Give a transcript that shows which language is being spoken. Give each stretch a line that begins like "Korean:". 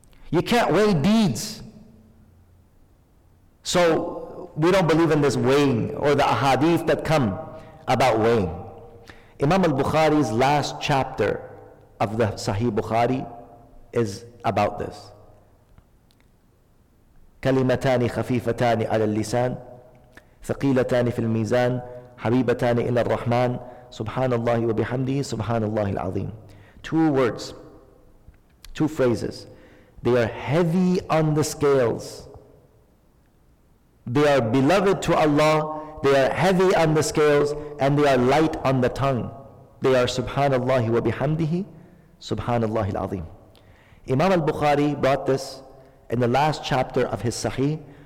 English: You can't weigh deeds. So we don't believe in this weighing or the ahadith that come about weighing. Imam al-Bukhari's last chapter of the Sahih Bukhari is about this.
Arabic: كلمتان خفيفتان على اللسان ثقيلتان في الميزان حبيبتان إلى الرحمن سبحان الله وبحمده سبحان الله العظيم.
English: Two words, two phrases. They are heavy on the scales. They are beloved to Allah. They are heavy on the scales and they are light on the tongue. They are
Arabic: سبحان الله وبحمده سبحان الله العظيم.
English: Imam al-Bukhari brought this in the last chapter of his Sahih